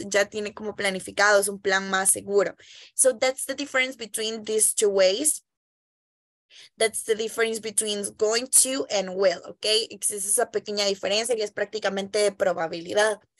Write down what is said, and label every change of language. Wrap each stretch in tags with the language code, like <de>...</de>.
<es>Ya tiene como planificado, es un plan más seguro.</es> <en>So that's the difference between these two ways. That's the difference between going to and will, okay?</en> <es>Existe esa pequeña diferencia y es prácticamente de probabilidad.</es>